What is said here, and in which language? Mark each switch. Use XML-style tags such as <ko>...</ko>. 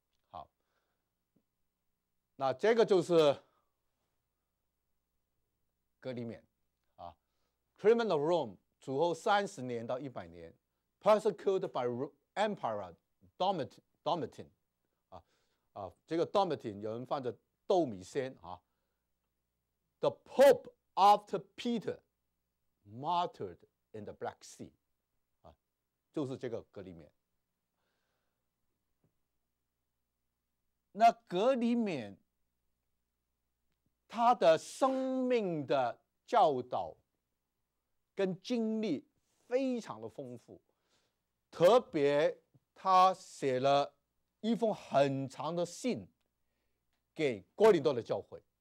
<zh>好，那这个就是格里勉啊 ，Clement of Rome， 主后三十年到一百年 ，</zh> <en>persecuted by Emperor Domitian。</en> <zh>Domitian、啊这个 Domitian 有人放着豆米仙啊。</zh> <en>The Pope after Peter martyred in the Black Sea，</en> <zh>啊，就是这个格里冕。那格里冕他的生命的教导跟经历非常的丰富，特别他写了一封很长的信给哥林多的教会。</zh>